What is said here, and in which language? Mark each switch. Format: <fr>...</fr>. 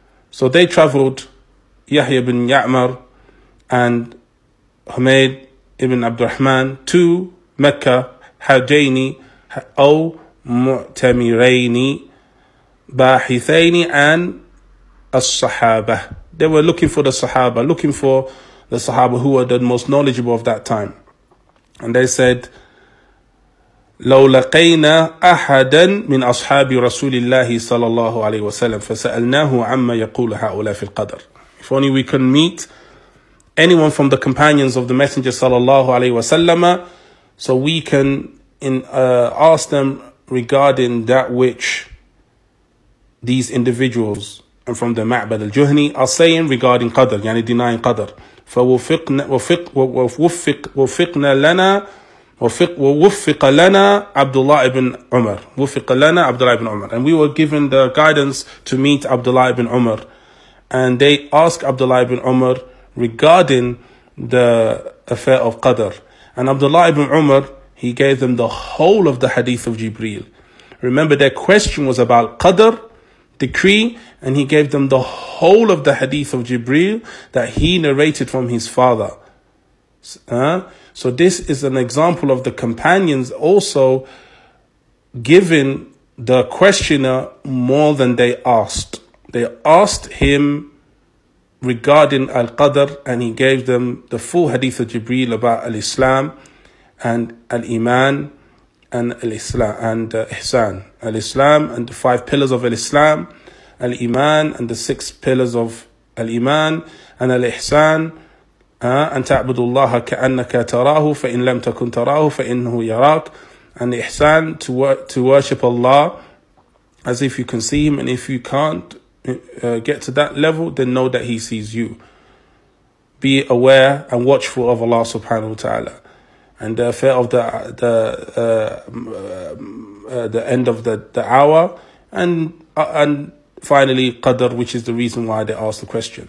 <en>So they traveled, Yahya ibn Ya'mar and Humayd ibn Abdurrahman, to Mecca,</en> <ar>Hajjaini aw Mu'tamiraini Bahithaini an As-Sahaba.</ar> <en>They were looking for the Sahaba, looking for the Sahaba who were the most knowledgeable of that time. And they said,</en> <ar>لو لقينا أحدا من أصحاب رسول الله صلى الله عليه وسلم فسألناه عما يقول هؤلاء في القدر.</ar> <en>If only we can meet anyone from the companions of the Messenger صلى الله عليه وسلم, so we can ask them regarding that which these individuals and from the Ma'bad al-Juhni are saying regarding Qadr, yani denying Qadr.</en> <ar>فوفقنا لنا ووفق لنا عبد الله ابن عمر وفق لنا عبد الله ابن عمر.</ar> <en>And we were given the guidance to meet Abdullah ibn Umar. And they asked Abdullah ibn Umar regarding the affair of Qadr. And Abdullah ibn Umar, he gave them the whole of the hadith of Jibreel. Remember, their question was about Qadr decree, and he gave them the whole of the hadith of Jibreel that he narrated from his father. So this is an example of the companions also giving the questioner more than they asked. They asked him regarding Al-Qadr, and he gave them the full hadith of Jibreel about Al-Islam and Al-Iman and Al-Islam and Ihsan. Al-Islam and the five pillars of Al-Islam, Al-Iman and the six pillars of Al-Iman and Al-Ihsan.</en> <ar>أن تعبد الله كأنك تراه فإن لم تكن تراه فإنه يراك.</ar> <en>And the ihsan, to worship Allah as if you can see him, and if you can't get to that level, then know that he sees you. Be aware and watchful of Allah subhanahu wa ta'ala. And the affair of the end of the hour, and finally, Qadr, which is the reason why they asked the question.</en>